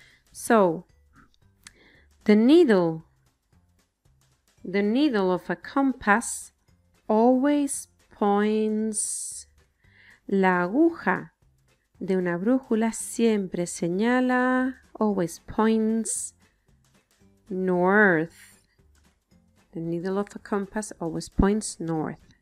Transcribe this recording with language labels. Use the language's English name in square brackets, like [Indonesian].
[English] So, the needle of a compass always points. [Spanish] La aguja de una brújula siempre señala, [English] always points north. The needle of a compass always points north.